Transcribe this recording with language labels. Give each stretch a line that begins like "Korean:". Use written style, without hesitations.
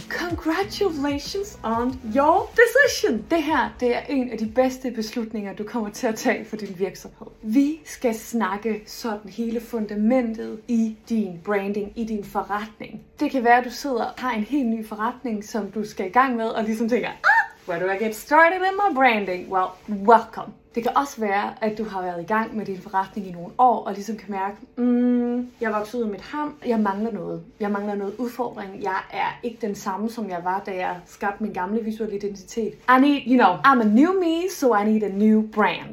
English: Congratulations on your decision.
Danish: Det her, det er en af de bedste beslutninger, du kommer til at tage for din virksomhed. Vi skal snakke sådan hele fundamentet i din branding, i din forretning. Det kan være, at du sidder og har en helt ny forretning, som du skal i gang med, og ligesom tænker,
English: where do I get started in my branding? Well, welcome.
Danish: Det kan også være, at du har været i gang med din forretning i nogle år, og ligesom kan mærke, jeg voksede ud af mit ham, jeg mangler noget. Jeg mangler noget udfordring. Jeg er ikke den samme, som jeg var, da jeg skabte min gamle visuelle identitet.
English: I need, you know, I'm a new me, so I need a new brand.